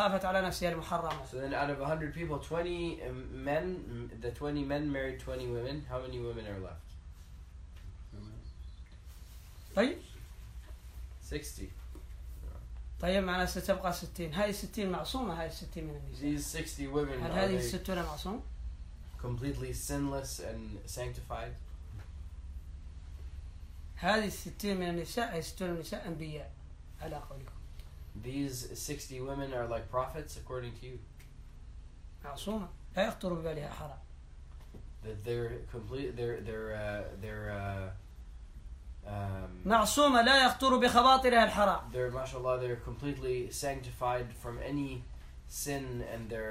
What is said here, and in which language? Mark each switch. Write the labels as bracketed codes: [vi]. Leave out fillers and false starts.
[en] So then out of 100 people, 20 men, the 20 men married 20 women, how many women are left? 60. [ar] طيب معنا ستبقى 60 هاي 60 معصومة هاي 60 من النساء. [en] These 60 women. [ar] هل هذه 60 معصومة؟ [en] Completely sinless and sanctified. [ar] هذه 60 من النساء هي 60 نساء أنبياء على قولكم. [en] These 60 women are like prophets according to you. [ar] معصومة لا يخطر ببالها حرام. [en] That they're complete. [ar] معصومة لا يخطر بخباطرها الحرام. [en] They're mashallah, they're completely sanctified from any sin and